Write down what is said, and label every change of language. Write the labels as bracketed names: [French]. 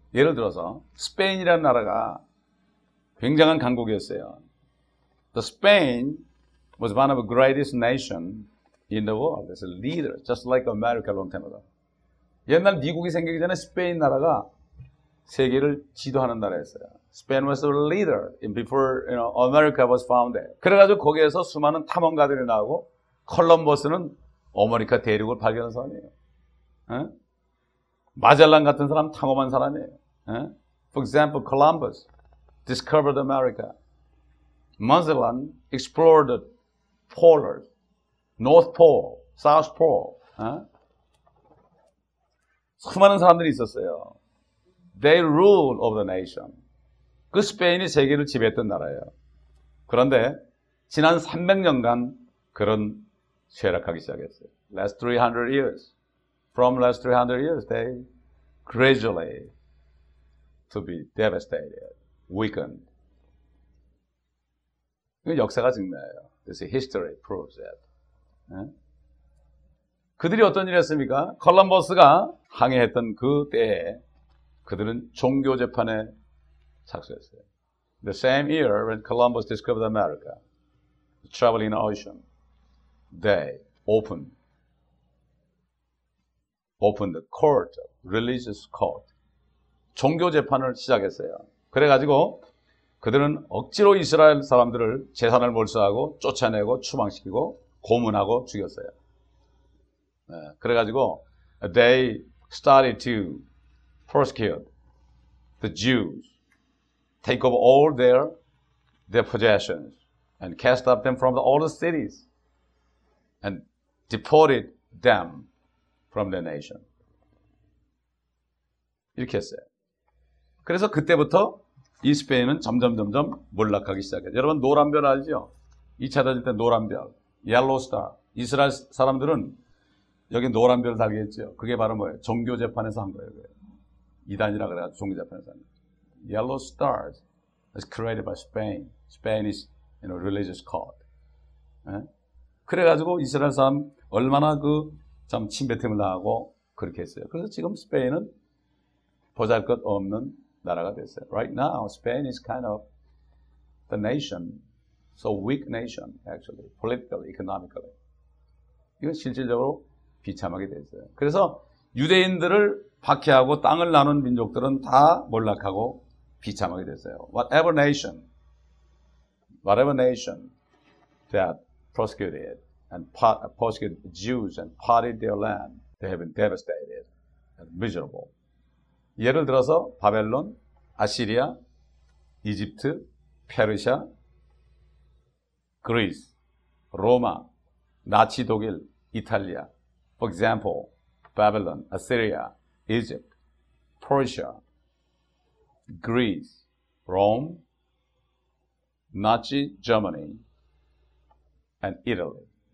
[Korean] 예를 들어서 스페인이라는 나라가 굉장한 강국이었어요. [English] The Spain was one of the greatest nation in the world. It's a leader, just like America long time ago. [Korean] 옛날 미국이 생기기 전에 스페인 나라가 세계를 지도하는 나라였어요. [English] Spain was a leader before you know, America was founded. [Korean] 그래가지고 거기에서 수많은 탐험가들이 나오고 콜럼버스는 아메리카 대륙을 발견한 사람이에요. 에? 마젤란 같은 사람 탐험한 사람이에요. [English] 에? For example, Columbus discovered America. Magellan explored the polar, North Pole, South Pole. 에? [Korean] 수많은 사람들이 있었어요. [English] They rule over the nation. [Korean] 그 스페인이 세계를 지배했던 나라예요. 그런데 지난 300년간 그런 쇠락하기 시작했어요. [English] Last 300 years. From last 300 years, they gradually to be devastated, weakened. [Korean] 이거 역사가 증명해요. [English] This history proves that. [Korean] 네? 그들이 어떤 일을 했습니까? 콜럼버스가 항해했던 그 때에 그들은 종교 재판에 착수했어요. [English] The same year when Columbus discovered America, traveling the ocean, they opened the court, religious court, [Korean] 종교 재판을 시작했어요. 그래가지고 그들은 억지로 이스라엘 사람들을 재산을 몰수하고 쫓아내고 추방시키고 고문하고 죽였어요. 네, 그래가지고 [English] they started to persecute the Jews, take over all their possessions, and cast up them from all the cities, and deported them from the nation. [Korean] 이렇게 했어요. 그래서 그때부터 이 스페인은 점점 몰락하기 시작해요. 여러분 노란별 알죠? 2차 대전 때 노란별, Yellow Star. 이스라엘 사람들은 여기 노란별 달게 했죠. 그게 바로 뭐예요? 종교 재판에서 한 거예요. 그게. 이단이라 그래가지고 종교 재판에서 한 거예요. [English] Yellow Stars is created by Spain. Spain is in a religious court. 네? [Korean] 그래가지고 이스라엘 사람 얼마나 그 참 침뱉음을 당하고 그렇게 했어요. 그래서 지금 스페인은 보잘것 없는 나라가 됐어요. [English] Right now, Spain is kind of the nation, so weak nation, actually, politically, economically. [Korean] 이건 실질적으로 비참하게 됐어요. 그래서 유대인들을 박해하고 땅을 나눈 민족들은 다 몰락하고 비참하게 됐어요. [English] Whatever nation that persecuted and persecuted Jews and parted their land, they have been devastated and miserable. [Korean] 예를 들어서 바벨론, 아시리아, 이집트, 페르시아, 그리스, 로마, 나치 독일, 이탈리아. [English] For example, Babylon, Assyria, Egypt, Persia, Greece, Rome, Nazi Germany, and Italy.